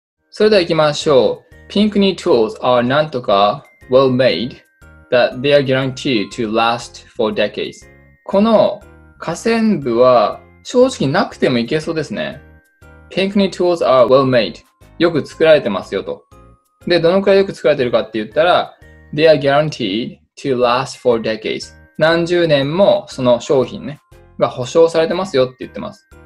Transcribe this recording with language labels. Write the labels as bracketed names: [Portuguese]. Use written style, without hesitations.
[Japanese] それでは行きましょう。 [English] Pink new tools are [Japanese] なんとか [English] well made that they are guaranteed to last for decades. [Japanese] この下線部は正直なくてもいけそうですね。 [English] Pink new tools are well made. [Japanese] よく作られてますよと。で、どのくらいよく作られてるかって言ったら [English] they are guaranteed to last for decades. [Japanese] 何十年もその商品ね、が保証されてますよって言ってます。